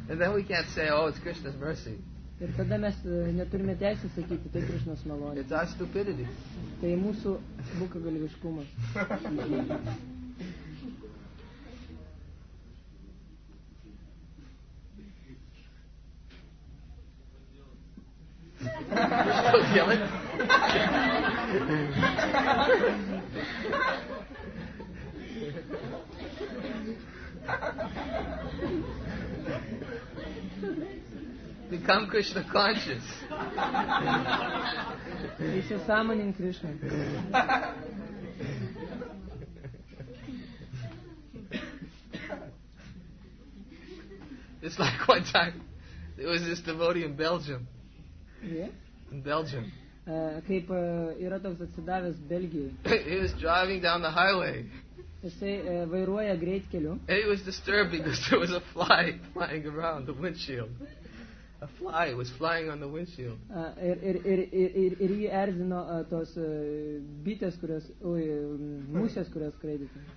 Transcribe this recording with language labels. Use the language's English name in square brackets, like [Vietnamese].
[English] And then we can't say, oh, it's Krishna's mercy. [Lithuanian] Ir tada mes neturime teisės sakyti, tai Krishna's malonė. [English] It's our stupidity. [Lithuanian] Tai mūsų bukagalviškumas. [English] Become Krishna conscious. Is your summoning Krishna? It's like one time, there was this devotee in Belgium. Yeah? In Belgium. [Lithuanian] Kaip yra toks atsidavęs Belgijai. [English] He was driving down the highway. [Lithuanian] Jisai vairuoja greitkeliu. [English] And it was disturbed because there was a fly flying around the windshield. A fly was flying on the windshield. [Lithuanian] Jį erzino tos bitės, kurios, musės, kurios skraidė.